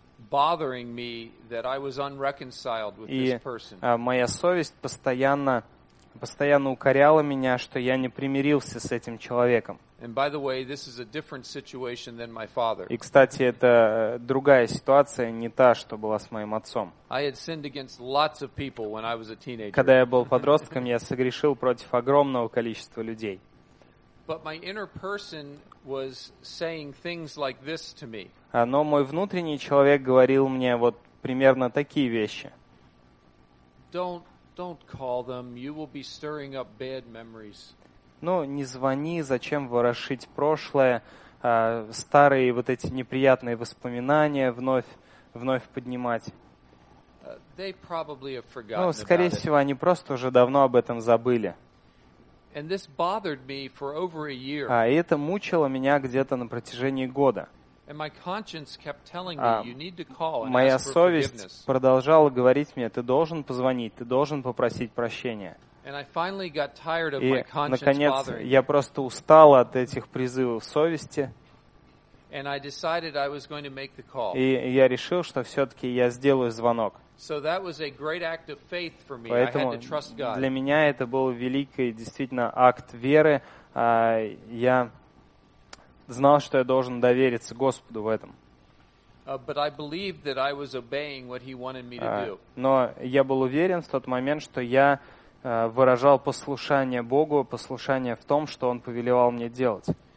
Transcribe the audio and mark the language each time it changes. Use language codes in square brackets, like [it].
[en] bothering me that I was unreconciled with this person. [ru] Моя совесть постоянно укоряла меня, что я не примирился с этим человеком. [en] And by the way, this is a different situation than my father. [ru] И, кстати, это другая ситуация, не та, что была с моим отцом. [en] I had sinned against lots of people when I was a teenager. [ru] Когда я был подростком, я согрешил против огромного количества людей. [en] But my inner person was saying things like this to me. [ru] Но мой внутренний человек говорил мне вот примерно такие вещи. [en] Don't call them. You will be stirring up bad memories. [ru] Ну, не звони, зачем ворошить прошлое, старые вот эти неприятные воспоминания вновь поднимать. Ну, скорее всего, они просто уже давно об этом забыли. Это мучило меня где-то на протяжении года. Моя совесть продолжала говорить мне, ты должен позвонить, ты должен попросить прощения. [en] And I finally got tired of [ru] и, [en] my conscience bothering. [ru] Наконец, я просто устал от этих призывов совести. [en] And I decided I was going to make the call. [ru] И я решил, что все-таки я сделаю звонок. [en] So that was a great act of faith for me. [ru] Поэтому [en] I had to trust God. [ru] Для меня это был великий, действительно, акт веры. Я знал, что я должен довериться Господу в этом. [en] But I believed that I was obeying what He wanted me to do. [ru] Но я был уверен в тот момент, что я выражал послушание Богу, послушание в том, что Он повелевал мне делать.